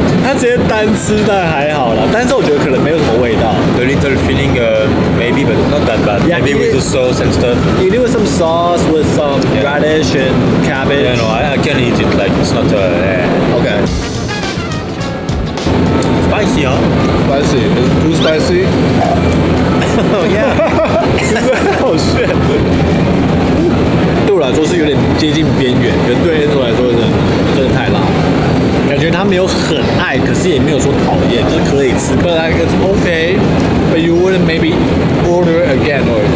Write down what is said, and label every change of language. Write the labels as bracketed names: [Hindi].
[Chinese] 它直接单吃但还好啦，但是我觉得可能没有什么味道。 [English] The little feeling, maybe, but not that bad. Yeah, maybe with the sauce and stuff. You do with some sauce with some radish and cabbage. Yeah, no, I can eat it. Like it's not. Okay. Spicy, huh? Spicy. Is it too spicy? Oh yeah. [Chinese] 好炫。对我来说是有点接近边缘，可对 Ansel 来说真的太辣。感觉他没有很爱，可是也没有说讨厌，就是可以吃。 [English] But like it's okay, but you wouldn't maybe order again or